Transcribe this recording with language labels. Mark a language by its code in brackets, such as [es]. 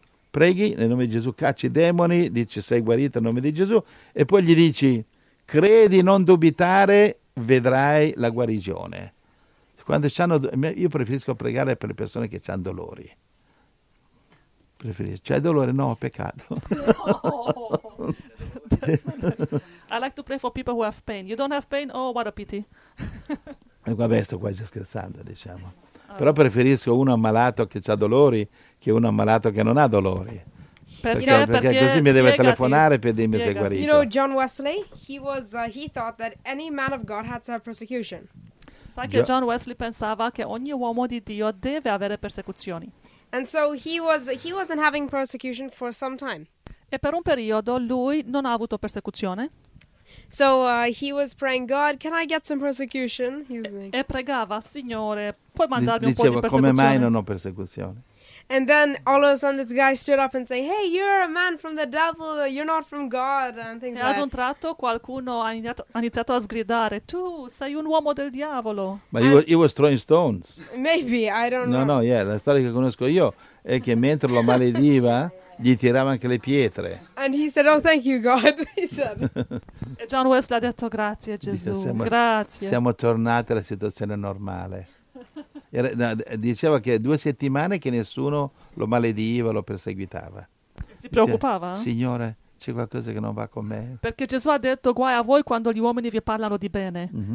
[it] Preghi nel nome di Gesù, cacci i demoni, dice, sei guarito nel nome di Gesù, e poi gli dici, credi, non dubitare, vedrai la guarigione. Quando c'hanno, io preferisco pregare per le persone che hanno dolori. Preferisco. C'hai dolore? No, peccato. [en] No. I like to pray for people who have pain. You don't have pain? Oh, what a pity. [it] E vabbè, sto quasi scherzando, diciamo. Però preferisco uno ammalato che ha dolori che uno ammalato che non ha dolori. Perché così mi deve telefonare per dirmi se è guarito. [en] You know John Wesley? He thought that any man of God had to have persecution. [it] Sai che John Wesley pensava che ogni uomo di Dio deve avere persecuzioni. [en] And so he wasn't having persecution for some time. [it] E per un periodo lui non ha avuto persecuzione. [en] So he was praying, God, can I get some persecution? [it] E pregava, Signore, puoi mandarmi un po' di persecuzione? Come mai non ho persecuzione? [en] And then all of a sudden this guy stood up and said, hey, you're a man from the devil, you're not from God, and things like that. [it] E ad un tratto qualcuno ha iniziato a sgridare, tu sei un uomo del diavolo. [en] But he was throwing stones. Maybe, I don't know. [it] No, yeah, la storia che conosco io è che mentre lo malediva, gli tirava anche le pietre. [en] And he said, oh, thank you, God, he said. [it] E John Wesley ha detto, grazie Gesù, grazie. Siamo tornati alla situazione normale. Diceva che due settimane che nessuno lo malediva, lo perseguitava. Si preoccupava? Dice, Signore, c'è qualcosa che non va con me? Perché Gesù ha detto, guai a voi quando gli uomini vi parlano di bene. Mm-hmm.